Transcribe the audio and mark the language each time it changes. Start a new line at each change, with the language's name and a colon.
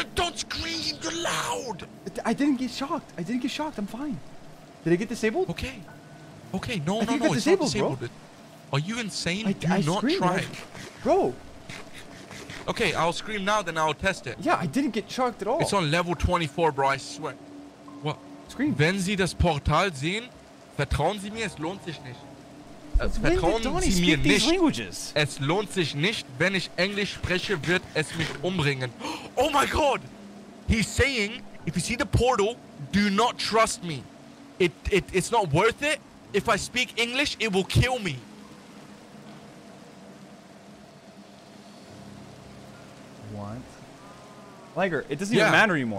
English: Don't scream! You're loud! I didn't get shocked. I didn't get shocked. I'm fine. Did I get disabled? Okay. No. It's disabled. Bro. Are you insane? I screamed, try. Bro. Okay, I'll scream now, then I'll test it. Yeah, I didn't get shocked at all. It's on level 24, bro. I swear. What? Scream.
German: Wenn Sie das Portal sehen, vertrauen Sie mir, es lohnt sich nicht. Vertrauen Sie mir nicht. Es lohnt sich nicht. Wenn ich Englisch spreche, wird es mich umbringen.
English: Oh my god! He's saying, if you see the portal, do not trust me. It's not worth it. If I speak English, it will kill me. What? Liger, it doesn't even matter anymore.